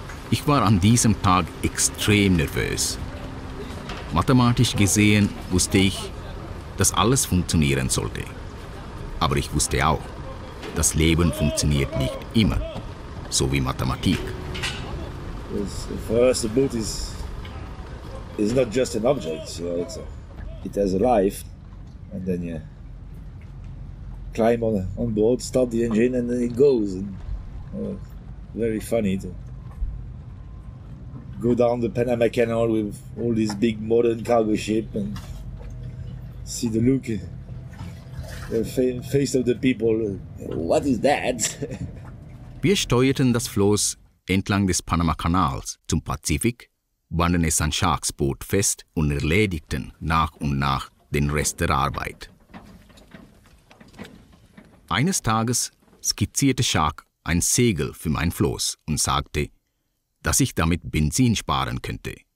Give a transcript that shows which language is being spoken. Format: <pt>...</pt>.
<de>Ich war an diesem Tag extrem nervös. Mathematisch gesehen wusste ich, dass alles funktionieren sollte. Aber ich wusste auch, das Leben funktioniert nicht immer, so wie Mathematik.</de> <en>For us, the boat is not just an object. It has a life. And then you climb on board, start the engine, and then it goes. Very funny to go down the Panama Canal with all these big modern cargo ship and see the look, the face of the people. What is that?</en> <de>Wir steuerten das Floß entlang des Panama-Kanals zum Pazifik, banden es an Sharks Boot fest und erledigten nach und nach den Rest der Arbeit. Eines Tages skizzierte Shark ein Segel für mein Floß und sagte, dass ich damit Benzin sparen könnte.</de>